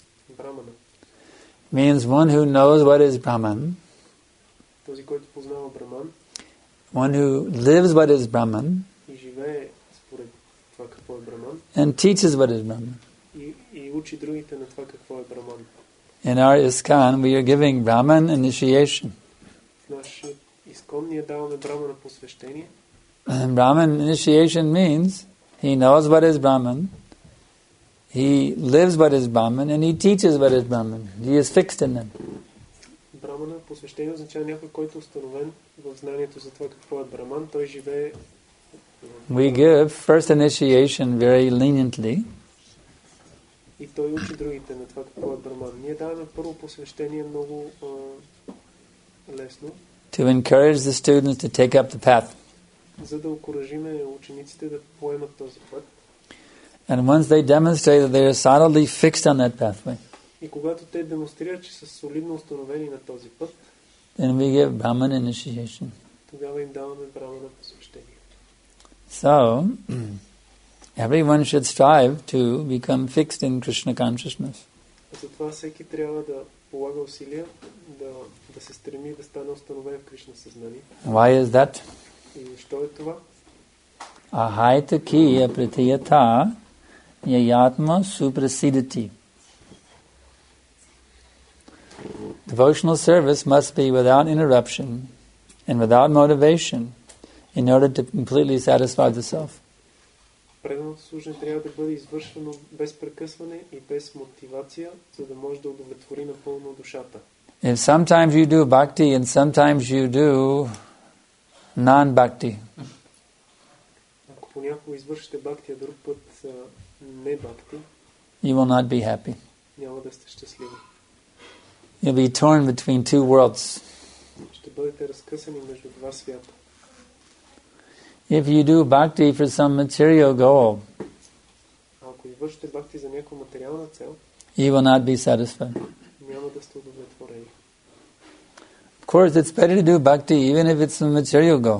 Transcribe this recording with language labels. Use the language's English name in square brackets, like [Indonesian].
[Bulgarian] Брахмана. [English] Means one who knows what is Brahman. [Bulgarian] Този, който познава Брахман. [English] One who lives what is Brahman. [Bulgarian] И живее според това какво е Брахман. [English] And teaches what is Brahman. [Bulgarian] И учи другите на това какво е Брахман. [English] In our ISKCON, we are giving Brahman initiation. [Bulgarian] В нашия ISKCON ние даваме Брахмана посвещение. [English] And Brahman initiation means he knows what is Brahman, he lives what is Brahman, and he teaches what is Brahman. He is fixed in them. [Bulgarian] Brahmana посвещение означава някой, който установен в знанието за това какво е Брахман, той живее. [English] We give first initiation very leniently. [Bulgarian] И той учи другите на това какво е Брахман. Ние даваме първо посвещение много лесно. [English] To encourage the students to take up the path. [Bulgarian] За да окуражиме учениците да поемат този път. [English] And once they demonstrate that they are solidly fixed on that pathway. [Bulgarian] И когато те демонстрират, че са солидно установени на този път, [English] then we give Brahman initiation. [Bulgarian] Тогава им даваме Брахмана посвещение. [English] So, everyone should strive to become fixed in Krishna consciousness. [Bulgarian] Затова всеки трябва да полага усилия да се стреми да стане установен в Кришна съзнание. [English] Why is that? [Bulgarian] И защо е това? Ахайта кия притията яятма супрасидити. [English] Devotional service must be without interruption and without motivation in order to completely satisfy the self. [Bulgarian] Преданото служение трябва да бъде извършвано без прекъсване и без мотивация, за да може да удовлетвори напълно душата. [English] If sometimes you do bhakti and sometimes you do non-bhakti. [Bulgarian] Ако понякога извършите бхакти, а друг път не бхакти, [English] you will not be happy. [Bulgarian] Няма да сте щастливи. [English] You'll be torn between two worlds. [Bulgarian] Ще бъдете разкъсани между два свята. [English] If you do bhakti for some material goal, [Bulgarian] ако извършите бхакти за някоя материална цел, [English] you will not be satisfied. [Bulgarian] Няма да сте удовлетворени. [English] Of course, it's better to do bhakti even if it's a material